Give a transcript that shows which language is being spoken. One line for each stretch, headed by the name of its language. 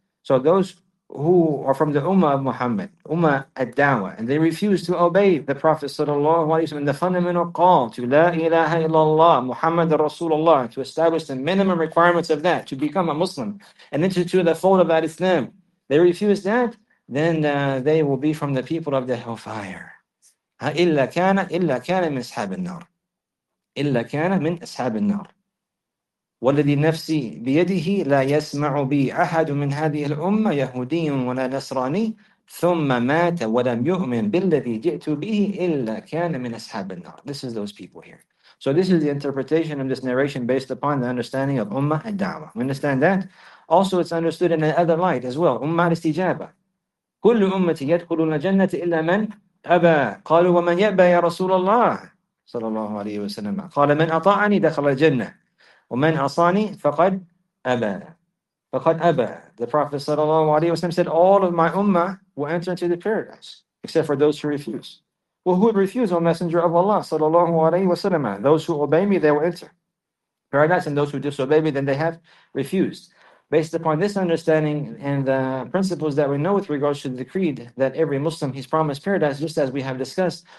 English: So those who are from the ummah of Muhammad, ummah ad-da'wah, and they refuse to obey the Prophet sallallahu alayhi wa sallam, the fundamental call to la ilaha illallah, Muhammad Rasulullah, to establish the minimum requirements of that, to become a Muslim, and enter to the fold of that Islam. They refuse that, then they will be from the people of the hellfire.
Arabic: إِلَّا كَانَ مِنْ أَصْحَابِ النَّارِ إِلَّا كَانَ مِنْ أَصْحَابِ النَّارِ وَالَّذِي نَفْسِي بِيَدِهِ لَا يَسْمَعُ بِي أَحَدٌ مِنْ هَذِهِ الْأُمَّةِ يَهُودِيٌّ وَلَا نَصْرَانِيٌّ ثُمَّ مَاتَ وَلَمْ يُؤْمِنْ بِالَّذِي جِئْتُ بِهِ إِلَّا كَانَ مِنْ أَصْحَابِ النَّارِ
English: This is those people here. So this is the interpretation of this narration based upon the understanding of Ummah al-Da'wah. We understand that? Also, it's understood in another light as well. Ummah al-Istijabah.
Arabic: كُلُّ أُمَّةِ يَدْخُلُونَ الْجَنَّةَ إِلَّا مَنْ أبى قالوا ومن يأبى يا رسول الله صلى الله عليه وسلم قال من أطاعني دخل الجنة ومن عصاني فقد أبى فقد أبى.
English: The Prophet صلى الله عليه وسلم said, all of my ummah will enter into the paradise except for those who refuse. Well, who would refuse? O Messenger of Allah صلى الله عليه وسلم, those who obey me, they will enter paradise, and those who disobey me, then they have refused. Based upon this understanding and the principles that we know with regards to the creed that every Muslim, he's promised paradise, just as we have discussed.